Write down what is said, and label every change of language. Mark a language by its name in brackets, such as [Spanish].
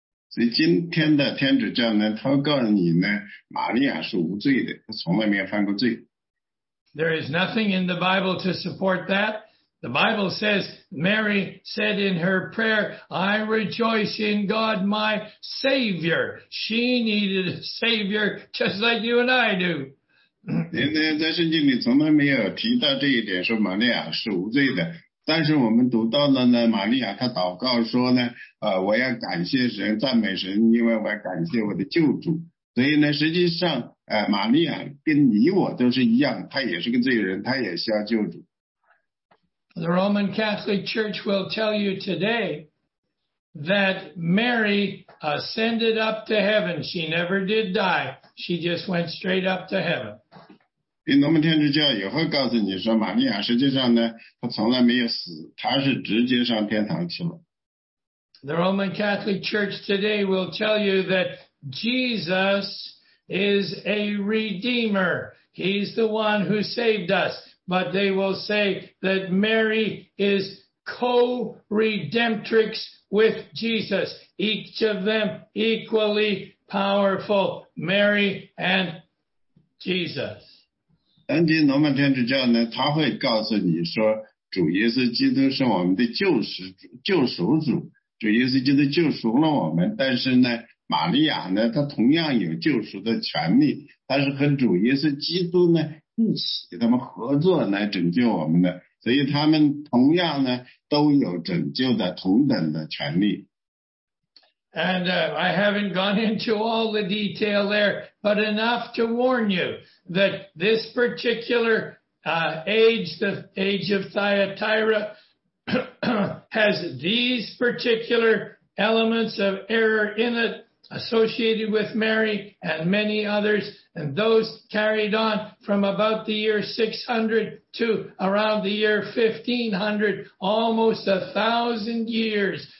[Chinese] 所以今天的天主教呢，他告诉你呢，玛利亚是无罪的，她从来没有犯过罪。 [English] There is nothing in the Bible to support that. The Bible says Mary said in her prayer, "I rejoice in God my Savior." She needed a Savior just like you and I do. [Chinese] 在圣经里从来没有提到这一点，说玛利亚是无罪的。但是我们读到了呢，玛利亚她祷告说呢，我要感谢神，赞美神，因为我要感谢我的救主。所以呢，实际上，玛利亚跟你我都是一样，她也是个罪人，她也需要救主。 [English] The Roman Catholic Church will tell you today that Mary ascended up to heaven. She never did die. She just went straight up to heaven. [Chinese] 因为我们天主教也会告诉你说玛利亚实际上呢她从来没有死她是直接上天堂去了。 [English] The Roman Catholic Church today will tell you that Jesus is a redeemer. He's the one who saved us. But they will say that Mary is co-redemptrix with Jesus. Each of them equally powerful. Mary and Jesus. [Chinese] 当今罗马天主教呢，他会告诉你说，主耶稣基督是我们的救赎主，主耶稣基督救赎了我们。但是呢，玛利亚呢，她同样有救赎的权利，她是和主耶稣基督呢一起，他们合作来拯救我们的，所以他们同样呢都有拯救的同等的权利。 [English] And I haven't gone into all the detail there, but enough to warn you that this particular age, the age of Thyatira, has these particular elements of error in it associated with Mary and many others, and those carried on from about the year 600 to around the year 1500, almost 1,000 years.